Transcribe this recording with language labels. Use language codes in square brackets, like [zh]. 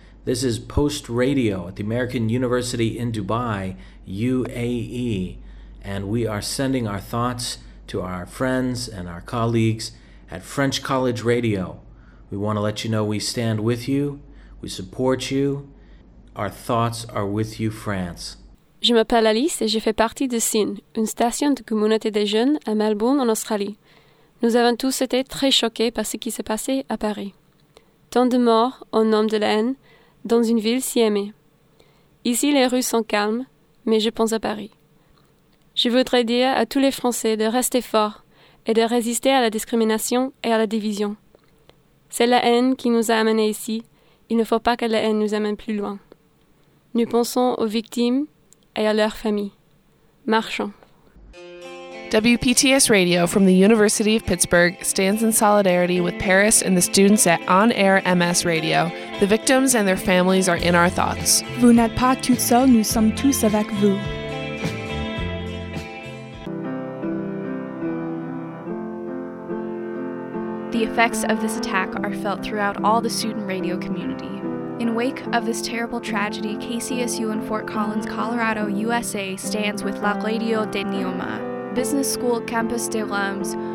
[en] This is Post Radio at the American University in Dubai, UAE, and we are sending our thoughts to our friends and our colleagues at French College Radio. We want to let you know we stand with you, we support you, our thoughts are with you, France. [fr] Je m'appelle Alice et je fais partie de SIN, une station de communauté des jeunes à Melbourne en Australie. Nous avons tous été très choqués par ce qui s'est passé à Paris. Tant de morts au nom de la haine dans une ville si aimée. Ici, les rues sont calmes, mais je pense à Paris. Je voudrais dire à tous les Français de rester forts et de résister à la discrimination et à la division. C'est la haine qui nous a amenés ici. Il ne faut pas que la haine nous amène plus loin. Nous pensons aux victimes et à leur famille. Marchons. [en] WPTS Radio from the University of Pittsburgh stands in solidarity with Paris and the students at On Air MS Radio. The victims and their families are in our thoughts. [fr] Vous n'êtes pas toutes seules, nous sommes tous avec vous. [en] The effects of this attack are felt throughout all the student radio community. In wake of this terrible tragedy, KCSU in Fort Collins, Colorado, USA stands with La Radio de Nioma, Business School Campus de Reims.